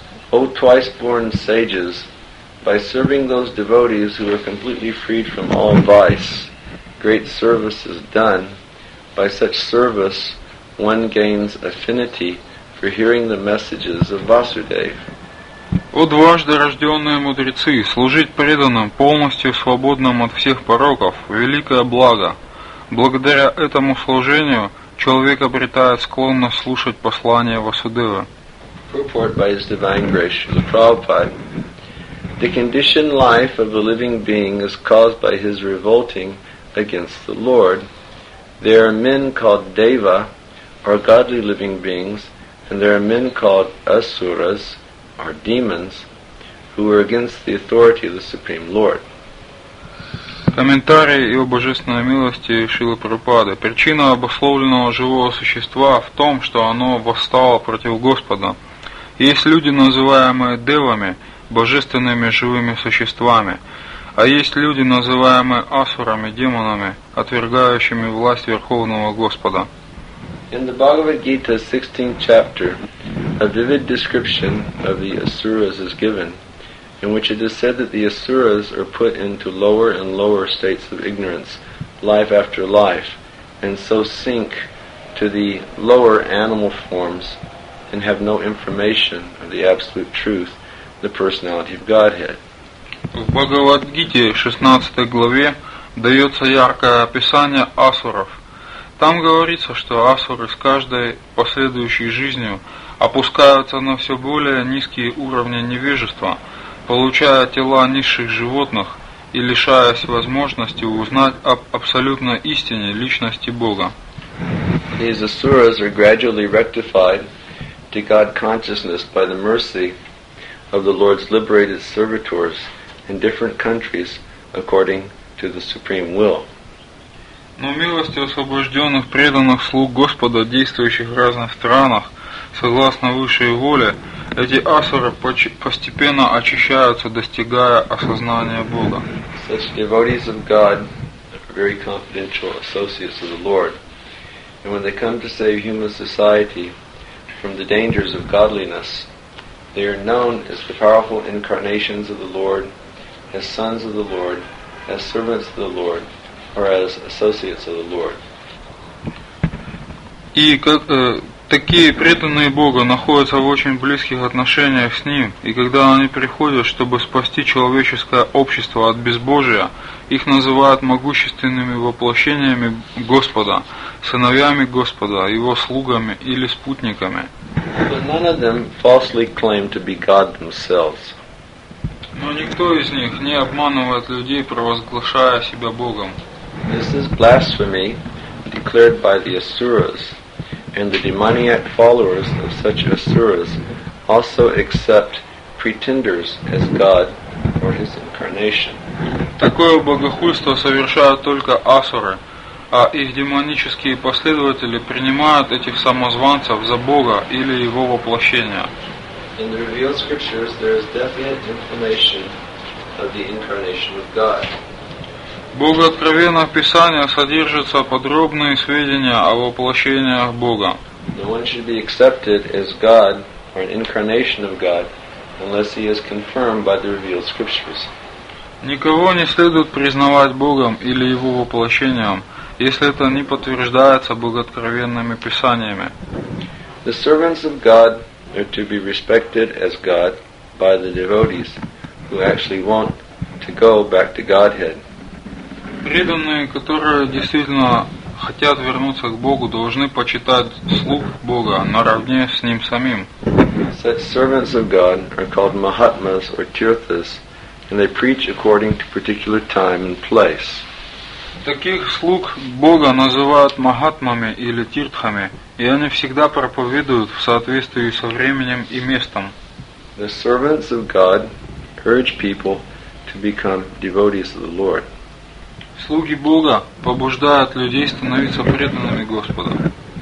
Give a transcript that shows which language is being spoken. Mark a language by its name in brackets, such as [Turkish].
[English] O twice-born sages, by serving those devotees who are completely freed from all vice, great service is done. By such service, one gains affinity for hearing the messages of Vasudeva. [Russian] О дважды рожденные мудрецы, служить преданным, полностью свободным от всех пороков, великое благо. Благодаря этому служению человек обретает склонность слушать послания Васудевы. [English] Purport by His Divine Grace, Srila Prabhupada. The conditioned life of a living being is caused by his revolting against the Lord. There are men called Deva, or godly living beings, and there are men called Asuras, or demons, who are against the authority of the Supreme Lord. [Russian] Комментарий и о божественной милости Шрилы Прабхупады. Причина обусловленного живого существа в том, что оно восстало против Господа. Есть люди, называемые девами, божественными живыми существами, а есть люди, называемые асурами, демонами, отвергающими власть Верховного Господа. [English] In the Bhagavad Gita 16th chapter, a vivid description of the asuras is given. in which it is said that the asuras are put into lower and lower states of ignorance, life after life, and so sink to the lower animal forms and have no information of the absolute truth, the personality of Godhead. [Russian] В Бхагавад-гите, 16 главе, дается яркое описание асуров. Там говорится, что асуры с каждой последующей жизнью опускаются на все более низкие уровни невежества, получая тела низших животных и лишаясь возможности узнать об абсолютной истине личности Бога. [English] These asuras are gradually rectified to God consciousness by the mercy of the Lord's liberated servitors in different countries according to the Supreme Will. [Russian] Но милости освобожденных преданных слуг Господа, действующих в разных странах, согласно высшей воле, эти асуры постепенно очищаются, достигая осознания Бога. [English] Such devotees of God are very confidential associates of the Lord. And when they come to save human society from the dangers of godliness, they are known as the powerful incarnations of the Lord, as sons of the Lord, as servants of the Lord, or as associates of the Lord. [Russian] И как такие преданные Бога находятся в очень близких отношениях с Ним, и когда они приходят, чтобы спасти человеческое общество от безбожия, их называют могущественными воплощениями Господа, сыновьями Господа, Его слугами или спутниками. [English] But none of them falsely claim to be God themselves. [Russian] Но никто из них не обманывает людей, провозглашая себя Богом. [English] This is blasphemy declared by the asuras, and the demoniac followers of such asuras also accept pretenders as God or his incarnation. [Russian] Такое богохульство совершают только асуры, а их демонические последователи принимают этих самозванцев за Бога или его воплощение. [English] In the revealed scriptures there is definite information of the incarnation of God. [Russian] Бога откровенно в Писании содержатся подробные сведения о воплощениях Бога. [English] No one should be accepted as God or an incarnation of God unless he is confirmed by the revealed scriptures. [Russian] Никого не следует признавать Богом или его воплощением, если это не подтверждается богооткровенными писаниями. [English] The servants of God are to be respected as God by the devotees who actually want to go back to Godhead. [Russian] Преданные, которые действительно хотят вернуться к Богу, должны почитать слуг Бога наравне с Ним самим. [English] Such servants of God are called Mahatmas or Tirthas, and they preach according to particular time and place. [Russian] Таких слуг Бога называют Махатмами или Тиртхами, и они всегда проповедуют в соответствии со временем и местом. [English] The servants of God urge people to become devotees of the Lord. [Russian] Слуги Бога побуждают людей становиться преданными Господа.